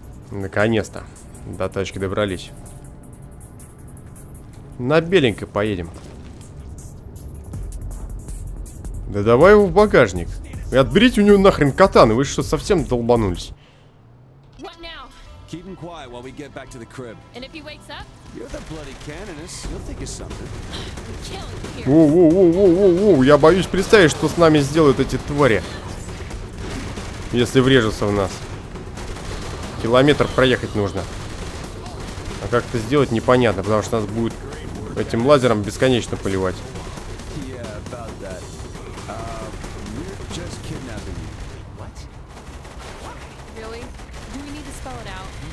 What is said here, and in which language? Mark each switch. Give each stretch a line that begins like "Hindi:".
Russian: Наконец-то до тачки добрались. На беленькой поедем. Да давай его в багажник. И отберите у него нахрен катаны, вы что, совсем долбанулись?
English: Keep him quiet while we get back to the crib. And if he wakes up? You're the bloody canonist. You'll think of something. Воу-воу-воу-воу-воу-воу.
Russian: Я боюсь представить, что с нами сделают эти твари. Если врежутся в нас. Километр проехать нужно. А как это сделать, непонятно. Потому что нас будет этим лазером бесконечно поливать.
English: Yeah, about that. We're just kidnapping you. What? Really? Do we need to spell it out?